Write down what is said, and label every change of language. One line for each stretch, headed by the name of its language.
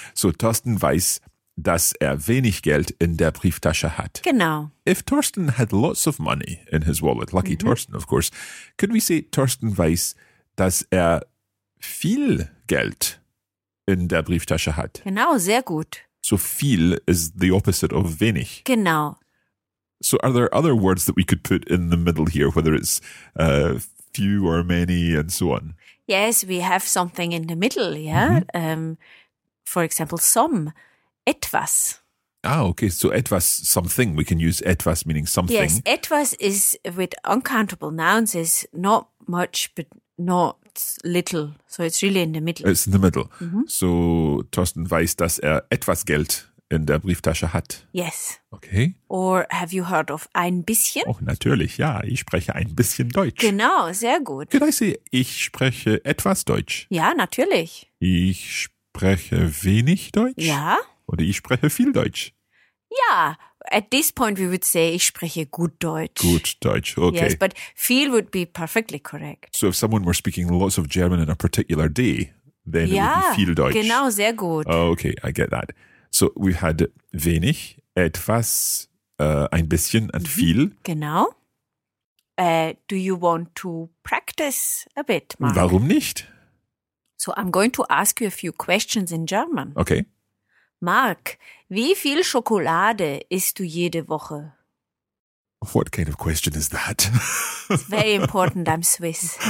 German: So Thorsten weiß, dass er wenig Geld in der Brieftasche hat. Genau.
English: If Thorsten had lots of money in his wallet, lucky mm-hmm.
German: Thorsten,
English: of course, could we say
German: Thorsten weiß, dass er viel Geld in der Brieftasche hat? Genau, sehr gut.
English: So viel is the opposite of wenig.
German: Genau.
English: So are there other words that we could put in the middle here, whether it's few or many and so on? Yes, we have something in the middle, yeah? Mm-hmm. For example, some, etwas. Ah, okay. So etwas, something. We can use etwas meaning something. Yes, etwas is with uncountable nouns is not much, but not. Little. So it's really in the middle. It's in the middle. Mm-hmm.
German: So Thorsten weiß, dass er etwas Geld in der Brieftasche hat.
English: Yes. Okay. Or have you heard of ein bisschen?
German: Oh, natürlich, ja. Ich spreche ein bisschen Deutsch. Genau, sehr gut.
English: Could I say,
German: ich spreche etwas Deutsch? Ja, natürlich. Ich spreche wenig Deutsch? Ja. Oder ich spreche viel Deutsch?
English: Ja. At this point we would say,
German: ich spreche gut Deutsch. Gut Deutsch, okay.
English: Yes, but viel would be perfectly correct. So if someone were speaking lots of German in a particular day, then ja, it would be
German: viel Deutsch. Genau, sehr gut.
English: Oh, okay, I get that. So we had wenig, etwas, ein bisschen and viel.
German: Genau.
English: Do you want to practice a bit, Mark?
German: Warum nicht?
English: So I'm going to ask you a few questions in German. Okay.
German: Mark, wie viel Schokolade isst du jede Woche?
English: What kind of question is that? It's very important, I'm Swiss.